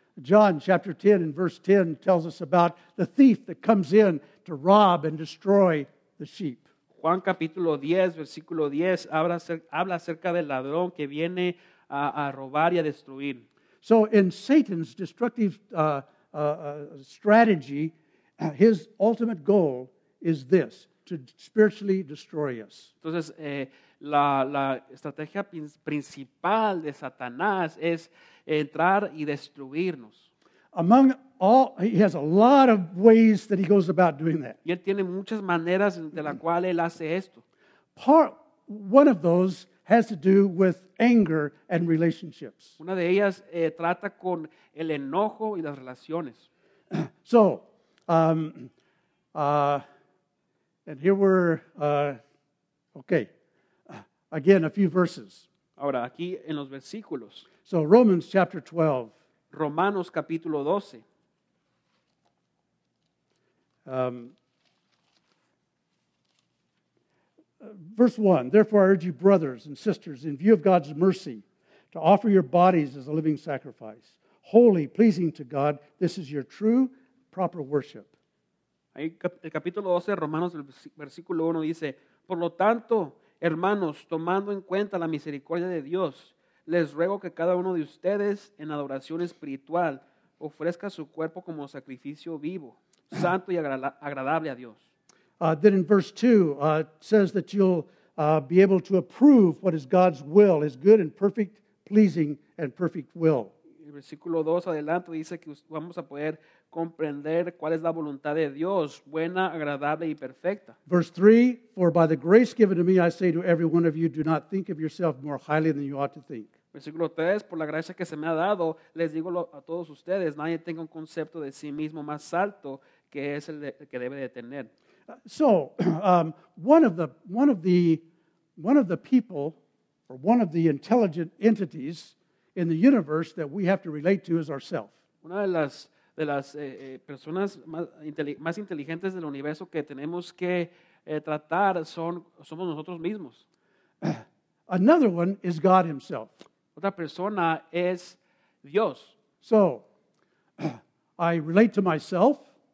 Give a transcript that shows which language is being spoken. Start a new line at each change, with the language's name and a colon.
English: John chapter 10 and verse 10 tells us about the thief that comes in to rob and destroy the sheep.
Spanish: Juan capítulo 10 versículo 10 habla acerca del ladrón que viene a robar y a destruir.
English: So in Satan's destructive strategy, his ultimate goal is this: to spiritually destroy us.
Spanish: Entonces, la estrategia principal de Satanás es entrar y destruirnos.
English: Among all, he has a lot of ways that he goes about doing that.
Spanish: Y él tiene muchas maneras de la cual él hace esto.
English: One of those has to do with anger and relationships.
Spanish: Una de ellas trata con el enojo y las relaciones.
English: So, and here we're, okay, again, a few verses.
Spanish: Ahora, aquí en los versículos.
English: So, Romans chapter 12.
Spanish: Romanos capítulo 12.
English: Verse 1, therefore I urge you, brothers and sisters, in view of God's mercy, to offer your bodies as a living sacrifice, holy, pleasing to God. This is your true, proper worship.
Spanish: Ahí, el capítulo 12 de Romanos, el versículo 1 dice, por lo tanto, hermanos, tomando en cuenta la misericordia de Dios, les ruego que cada uno de ustedes, en adoración espiritual, ofrezca su cuerpo como sacrificio vivo, santo y agradable a Dios.
English: Then in verse 2, it says that you'll be able to approve what is God's will, his good and perfect, pleasing and perfect will.
Spanish: El versículo 2 adelante dice que vamos a poder comprender cuál es la voluntad de Dios, buena, agradable y perfecta.
English: Verse 3, for by the grace given to me, I say to every one of you, do not think of yourself more highly than you ought to think.
Spanish: Versículo 3, por la gracia que se me ha dado, les digo a todos ustedes, nadie tenga un concepto de sí mismo más alto que es el, el que debe de tener.
English: One of the intelligent entities in the universe that we have to relate to is ourselves.
Spanish: Una de las personas más inteligentes del universo que tenemos que tratar son somos nosotros mismos.
English: Another one is God himself.
Spanish: Otra persona es Dios.
English: So, I relate to myself.